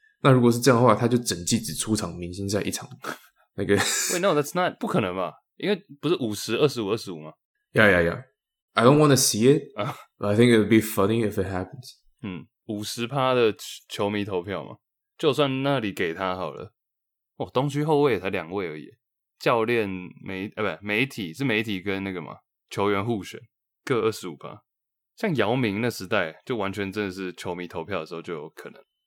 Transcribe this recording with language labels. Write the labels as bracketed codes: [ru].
[zh] 那如果是这样的话，他就整季只出场明星赛一场。那个 [en] ，Wait, no, that's not 不可能吧？ [zh] 因为不是50-25-25吗 [en] ？Yeah, yeah, yeah. I don't want to see it, but I think it'd be funny if it happens. [zh] 50% 的球迷投票嘛，就算那里给他好了。哦，东区后卫才两位而已，教练媒啊，不是媒体是媒体跟那个嘛球员互选各25%。像姚明那时代，就完全真的是球迷投票的时候就有可能。